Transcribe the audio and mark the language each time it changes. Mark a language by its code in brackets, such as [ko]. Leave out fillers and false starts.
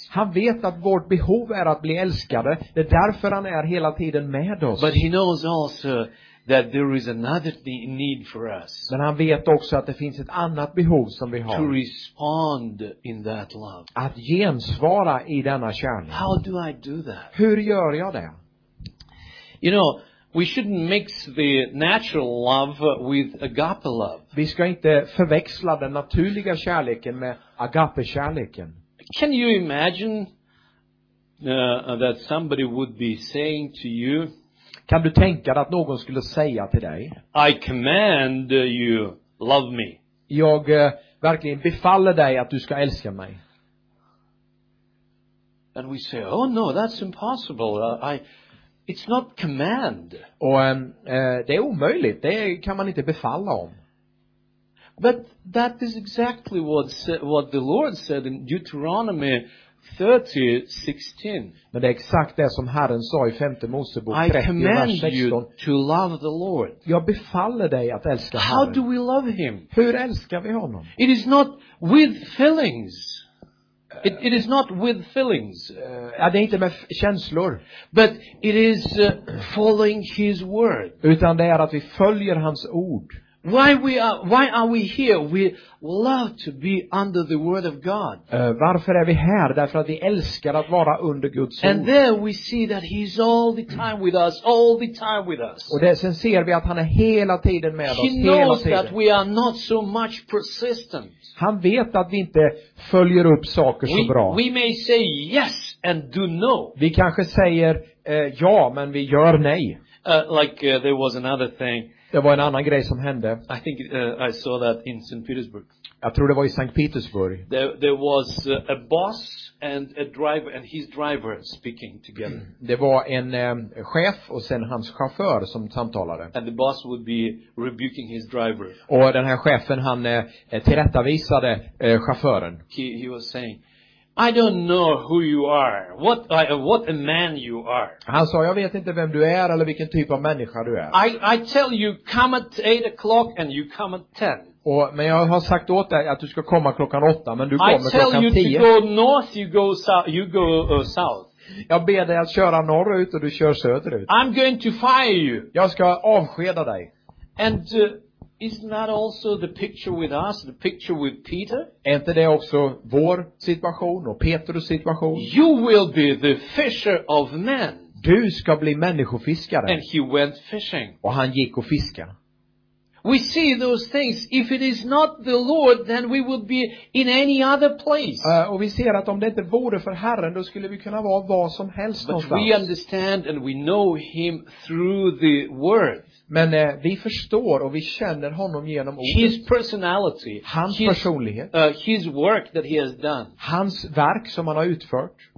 [sv] Han vet att vårt behov är att bli älskade. Det är därför han är hela tiden med oss. [en] But he knows also that there is another need for us. [sv] Men han vet också att det finns ett annat behov som vi har. [en] To respond in that love. [sv] Att gensvara i denna kärlek. [en] How do I do that? [sv] Hur gör jag det? [en] You know, we shouldn't mix the natural love with agape love. [sv] Vi ska inte förväxla den naturliga kärleken med agape kärleken. [en] Can you imagine that somebody would be saying to you? [sv] Kan du tänka dig att någon skulle säga till dig? [en] I command you, love me. [sv] Jag verkligen befaller dig att du ska älska mig. [en] And we say, oh no, that's impossible. It's not command. [sv] Och det är omöjligt. Det kan man inte befalla om. [en] But that is exactly what the Lord said in Deuteronomy 30:16. [sv] Men det är exakt det som Herren sa i femte Mosebok 30:16. [en] I command you to love the Lord. [sv] Jag befaller dig att älska Herren. [en] How do we love him? [sv] Hur älskar vi honom? [en] It is not with feelings. It is not with feelings. [sv] Det är inte med känslor. [en] But it is following his word. [sv] Utan det är att vi följer hans ord. [en] Why are we here? We love to be under the word of God. [sv] Varför är vi här? Därför att vi älskar att vara under Guds ord. [en] And there we see that he's all the time with us, all the time with us. [sv] Och där sen ser vi att han är hela tiden med oss, hela tiden. [en] He knows that we are not so much persistent. [sv] Han vet att vi inte följer upp saker så bra. [en] We may say yes and do no. [sv] Vi kanske säger ja, men vi gör nej. [en] There was another thing. [sv] Det var en annan grej som hände. [en] I think I saw that in St. Petersburg. [sv] Jag tror det var i St. Petersburg. [en] There was a boss and a driver and his driver speaking together. [sv] Det var en chef och sen hans chaufför som samtalade. [en] And the boss would be rebuking his driver. [sv] Och den här chefen han tillrättavisade chauffören. [en] He was saying, I don't know who you are. What a man you are. [sv] Han sa, jag vet inte vem du är eller vilken typ av människa du är. [en] I tell you, come at 8 o'clock and you come at 10. [sv] Men jag har sagt åt dig att du ska komma klockan 8, men du kommer klockan 10. [en] I tell you to go north, you go south. [sv] Jag ber dig att köra norrut och du kör söderut. [en] I'm going to fire you. [sv] Jag ska avskeda dig. [en] And isn't that also the picture with us, the picture with Peter? [sv] Är inte det också vår situation och Petrus situation? [en] You will be the fisher of men. [sv] Du ska bli människofiskare. [en] And he went fishing. [sv] Och han gick och fiskade. [en] We see those things. If it is not the Lord, then we would be in any other place. [sv] Och vi ser att om det inte vore för Herren, då skulle vi kunna vara var som helst. [en] But [sv] någonstans. [en] We understand and we know him through the word. [sv] Men vi förstår och vi känner honom genom ordet. [en] His personality, [sv] hans personlighet, [en] his work that he has done. [sv] Hans verk som han har utfört.